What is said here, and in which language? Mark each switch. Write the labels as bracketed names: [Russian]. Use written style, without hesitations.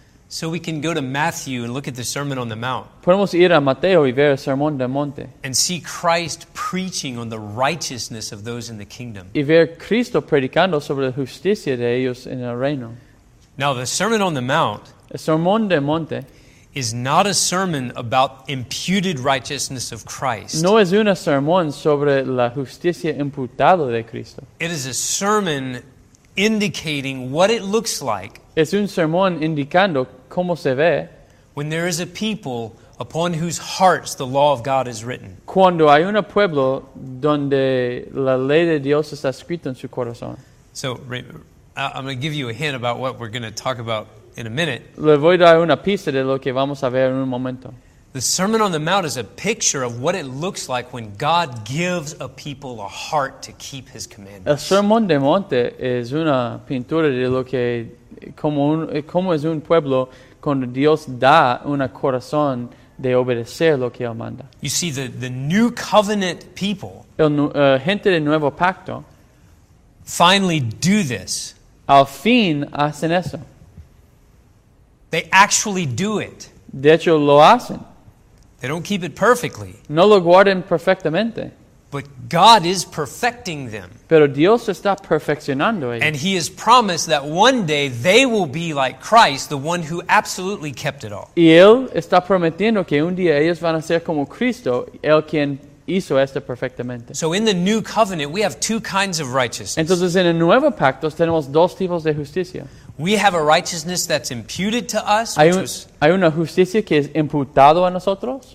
[English] So we can go to Matthew and look at the Sermon on the Mount. [Spanish] Podemos ir a Mateo y ver el Sermón del Monte. [English] And see Christ preaching on the righteousness of those in the kingdom. [Spanish] Y ver Cristo predicando sobre la justicia de ellos en el reino. [English] Now the Sermon on the Mount. [Spanish] El Sermón del Monte. [English] is not a sermon about imputed righteousness of Christ. [Spanish] No es una sermón sobre la justicia imputada de Cristo. [English] It is a sermon indicating what it looks like. [Spanish] Es un sermón indicando cómo se ve. [English] When there is a people upon whose hearts the law of God is written. [Spanish] Cuando hay un pueblo donde la ley de Dios está escrita en su corazón. [English] So, I'm going to give you a hint about what we're going to talk about in a minute. [Spanish] Le voy a dar una pista de lo que vamos a ver en un momento. [English] The Sermon on the Mount is a picture of what it looks like when God gives a people a heart to keep His commandments. [Spanish] El Sermón de Monte es una pintura de lo que, como es un pueblo cuando Dios da un corazón de obedecer lo que Él manda. [English] You see, the new covenant people, [Spanish] gente de nuevo pacto, [English] finally do this. [Spanish] Al fin hacen eso. [English] They actually do it. [Spanish] De hecho, lo hacen. [English] They don't keep it perfectly. [Spanish] No lo guardan perfectamente. [English] But God is perfecting them. [Spanish] Pero Dios está perfeccionando ellos. [English] And He has promised that one day they will be like Christ, the one who absolutely kept it all. [Spanish] Y Él está prometiendo que un día ellos van a ser como Cristo, el quien hizo esto perfectamente. [English] So in the new covenant, we have two kinds of righteousness. [Spanish] Entonces en el nuevo pacto tenemos dos tipos de justicia. [English] We have a righteousness that's imputed to us. [Spanish] Hay una justicia que es imputado a nosotros.